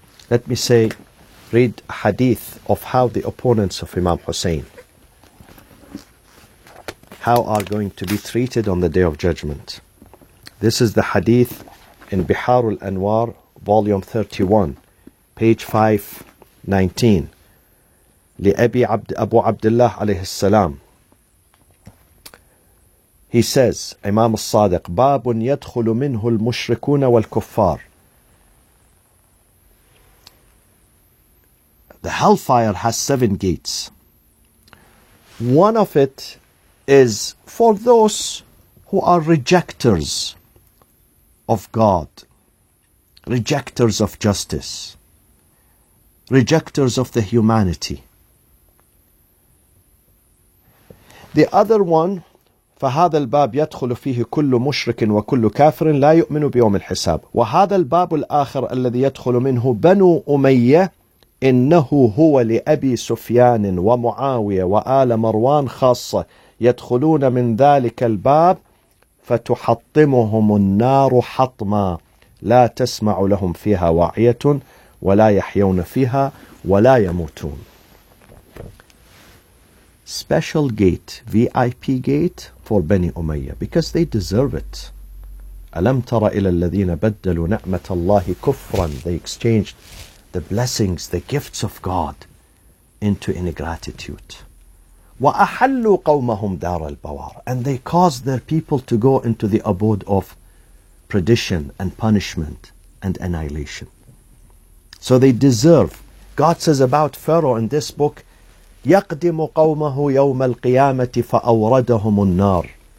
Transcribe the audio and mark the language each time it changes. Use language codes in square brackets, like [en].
[en] Let me say, read a hadith of how the opponents of Imam Hussein, how are going to be treated on the Day of Judgment. This is the hadith in Biharul Anwar, volume 31, page 519. [ar] لأبي عبد أبو عبد الله عليه السلام. [en] He says, Imam al-Sadiq, [ar] باب يدخل منه المشركون والكفار. [en] The hellfire has 7 gates. One of it is for those who are rejectors of God, rejectors of justice, rejectors of the humanity. The other one, [ar] فهذا الباب يدخل فيه كل مشرك وكل كافر لا يؤمن بيوم الحساب. وهذا الباب الآخر الذي يدخل منه بنو أمية إنه هو لأبي سفيان ومعاوية وآل مروان خاصة يدخلون من ذلك الباب فتحطمهم النار حطما لا تسمع لهم فيها واعية ولا يحيون فيها ولا يموتون. [en] Special gate, VIP gate for Bani Umayyah because they deserve it. [ar] ألم تر إلى الذين بدلوا نعمة الله كفرا. [en] They exchanged the blessings, the gifts of God into ingratitude. [ar] وأحلوا قومهم دار البوار. [en] And they caused their people to go into the abode of perdition and punishment and annihilation. So they deserve. God says about Pharaoh in this book, [ar] يقدم قومه يوم القيامة فأوردهم النار.